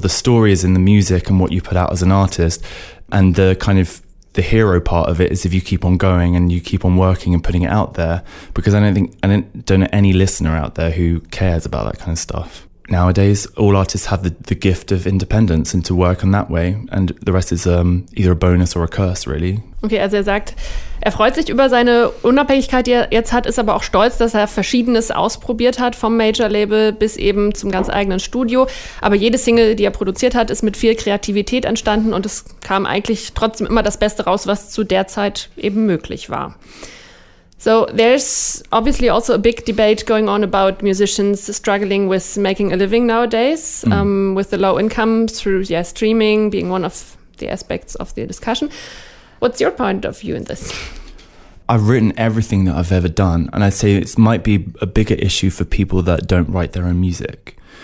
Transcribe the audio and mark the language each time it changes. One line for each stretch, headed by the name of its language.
English: The story is in the music and what you put out as an artist. And the kind of the hero part of it is if you keep on going and you keep on working and putting it out there, because I don't know any listener out there who cares about that kind of stuff. Nowadays, all artists have the gift of independence and to work in that way. And the rest is either a bonus or a curse, really.
German: Okay, also er sagt, er freut sich über seine Unabhängigkeit, die er jetzt hat, ist aber auch stolz, dass er Verschiedenes ausprobiert hat, vom Major-Label bis eben zum ganz eigenen Studio. Aber jede Single, die er produziert hat, ist mit viel Kreativität entstanden und es kam eigentlich trotzdem immer das Beste raus, was zu der Zeit eben möglich war.
English: So there's obviously also a big debate going on about musicians struggling with making a living nowadays, with the low income through streaming being one of the aspects of the discussion. What's your point of view in this? I've written everything that I've ever done, and I'd say it might be a bigger issue for people that don't write their own music.